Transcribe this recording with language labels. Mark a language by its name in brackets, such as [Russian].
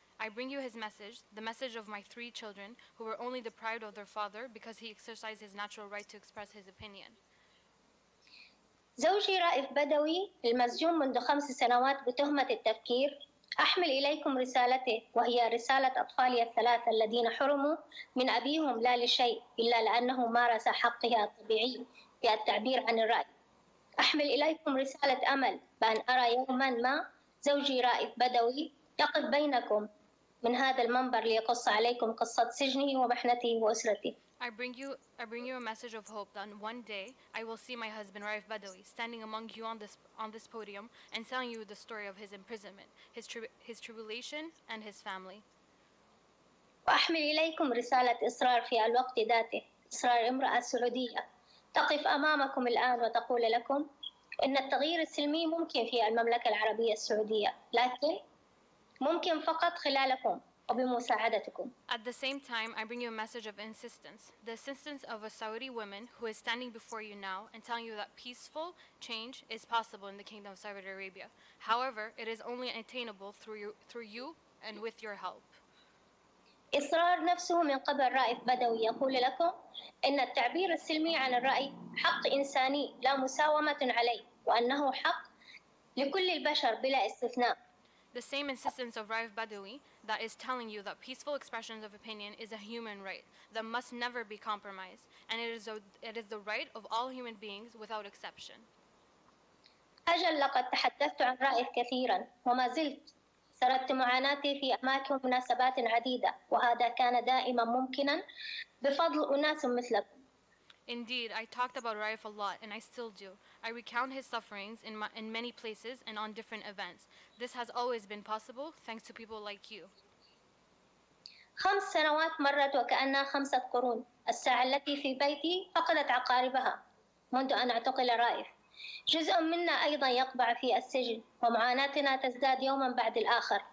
[English] I bring you his message, the message of my 3 children, who were only deprived of their father because he exercised his natural right to express his opinion. [Arabic] زوجي رائف بدوي المسجون منذ 5 سنوات بتهمة التفكير أحمل إليكم رسالته وهي رسالة أطفالي 3 الذين حرموا من أبيهم لا لشيء إلا لأنه مارس حقه الطبيعي في التعبير عن الرأي. أحمل إليكم رسالة أمل بأن أرى يوما ما زوجي رائف بدوي يقف بينكم من هذا المنبر ليقص عليكم قصة سجنه ومحنته وأسرته. [English] I bring you a message of hope that one day I will see my husband Raif Badawi standing among you on this podium and telling you the story of his imprisonment, his tribulation and his family. [Arabic] وأحمل إليكم رسالة إصرار في الوقت ذاته، إصرار امرأة سعودية تقف أمامكم الآن وتقول لكم إن التغيير السلمي ممكن في المملكة العربية السعودية، لكن ممكن فقط خلالكم. [English] At the same time, I bring you a message of insistence, the insistence of a Saudi woman who is standing before you now and telling you that peaceful change is possible in the Kingdom of Saudi Arabia. However, it is only attainable through you and with your help. [Arabic] إصرار نفسه من قبل رائف بدوي يقول لكم إن التعبير السلمي عن الرأي حق إنساني لا مساومة عليه وأنه حق لكل البشر بلا استثناء. [English] The same insistence of Raif Badawi that is telling you that peaceful expressions of opinion is a human right that must never be compromised, and it is the right of all human beings without exception. [Arabic] أجل لقد تحدثت عن رائف كثيرا وما زلت سردت معاناتي في أماكن ومناسبات عديدة وهذا كان دائما ممكنا بفضل أناس مثلك. [English] Indeed, I talked about Raif a lot, and I still do. I recount his sufferings in many places and on different events. This has always been possible, thanks to people like you. [Arabic] 5 سنوات مرت وكأنها 5 قرون. الساعة التي في بيتي فقدت عقاربها منذ أن اعتقل رائف. جزء منا أيضا يقبع في السجن، ومعاناتنا تزداد يوما بعد الآخر.